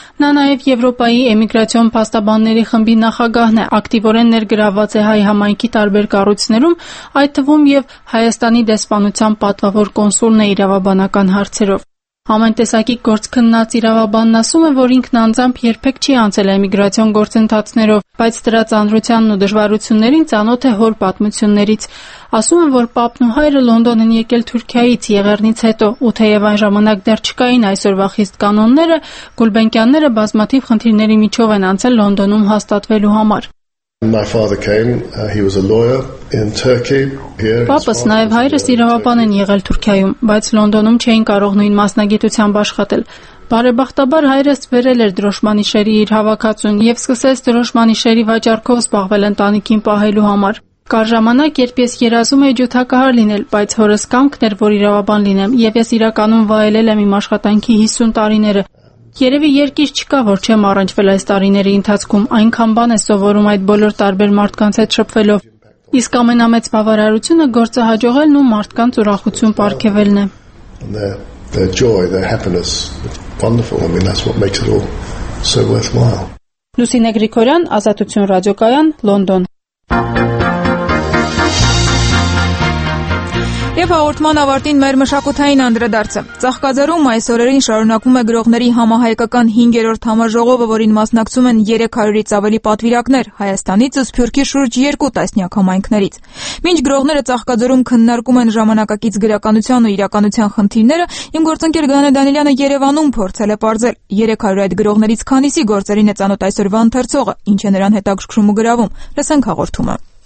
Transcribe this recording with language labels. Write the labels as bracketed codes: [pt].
[hy] Նա նաև Եվրոպայի էմիգրացիոն փաստաբանների խմբի նախագահն է, ակտիվորեն ներգրավված է հայ համայնքի տարբեր կառույցներում, այդ թվում և Հայաստանի դեսպանության պատվավոր կոնսուլն է իրավաբանական հարցերով։ Ամեն տեսակի գործ քննած իրավաբանն ասում է, որ ինքն անձամբ երբեք չի անցել էմիգրացիոն գործընթացներով, բայց դրա ծանրությանն ու դժվարություններին ծանոթ է հոր պատմություններից։ Ասում են, որ պապն ու հայրը Լոնդոն են եկել Թուրքիայից եղեռնից հետո, ու թեև այն ժամանակ դեռ չկային այսօրվա խիստ կանոնները, Գուլբենկյանները բազմաթիվ խնդիրների միջով են անցել Լոնդոնում հաստատվելու համար։ [en] My father came, he was a lawyer in Turkey. [hy] Պապս նաև հայրս իրավաբան են եղել Թուրքիայում, բայց Լոնդոնում չէին կարող նույն մասնագիտությամբ աշխատել։ Բարեբախտաբար հայրս վերել էր դրոշմանիշերի իր հավաքածուն և սկսեց դրոշմանիշերի վաճառքով զբաղվել ընտանիքին պահելու համար։ Կար ժամանակ, երբ ես երազում էի ջութակահար լինել, բայց հորս կամքն էր, որ իրավաբան լինեմ, և ես իրականում վայելել եմ իմ աշխատանքի 50 տարիները։ Երևի երկիր չկա, որ չեմ առնչվել այս տարիների ընթացքում, այնքան բան է սովորում այդ բոլոր տարբեր մարդկանց հետ շփվելով։ Իսկ ամենամեծ բավարարությունը գործը հաջողելն ու մարդկանց ուրախություն պարգևելն է. [en] The joy, the happiness, wonderful. I mean, that's what makes it all so worthwhile. [hy] Լուսինե Գրիգորյան, Ազատություն ռադիոկայան, Լոնդոն. Եվ հաղորդման ավարտին մեր մշակութային անդրադարձը։ Ծաղկաձորում այս օրերին շարունակվում է գրողների համահայկական 5-րդ համաժողովը, որին մասնակցում են 300-ից ավելի պատվիրակներ Հայաստանից ու Սփյուռքի շուրջ 2 տասնյակ համայնքներից։ Մինչ գրողները Ծաղկաձորում քննարկում են ժամանակակից գրականության ու իրականության խնդիրները, իմ գործընկեր Գանե Դանիելյանը Երևանում փորձել է պարզել 300 այդ գրողներից քանիսի գործերին է ծանոթ այսօրվա ընթերցողը, ինչ է նրան հետաքրքրում ու գրավում։ Լսենք հաղորդումը։